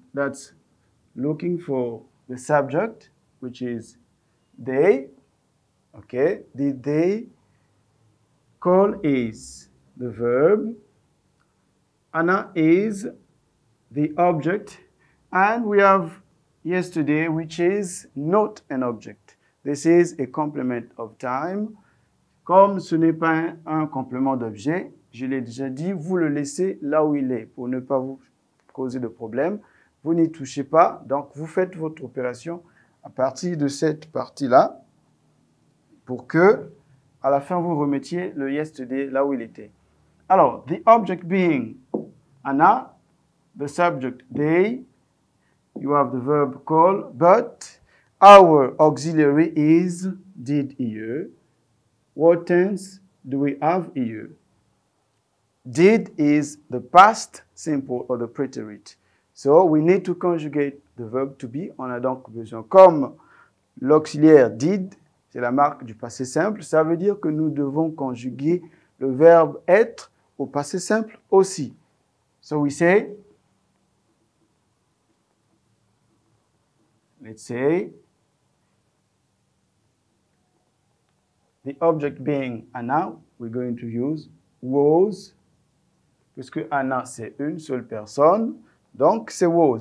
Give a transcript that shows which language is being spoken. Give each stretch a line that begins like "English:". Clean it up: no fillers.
English: That's looking for the subject, which is they. Okay. Did they call is the verb. Anna is the object. And we have yesterday, which is not an object. This is a complement of time.
French: Comme ce n'est pas un complément d'objet, je l'ai déjà dit, vous le laissez là où il est pour ne pas vous causer de problème. Vous n'y touchez pas, donc vous faites votre opération à partir de cette partie-là pour que, à la fin, vous remettiez le yesterday là où il était.
English: Alors, the object being Anna, the subject they, you have the verb call, but our auxiliary is did you. What tense do we have here? Did is the past simple or the preterite. So we need to conjugate the verb to be.
French: On a donc besoin, comme l'auxiliaire did, c'est la marque du passé simple, ça veut dire que nous devons conjuguer le verbe être au passé simple aussi.
English: So we say, let's say, the object being Anna, we're going to use was,
French: puisque Anna c'est une seule personne, donc c'est
English: was.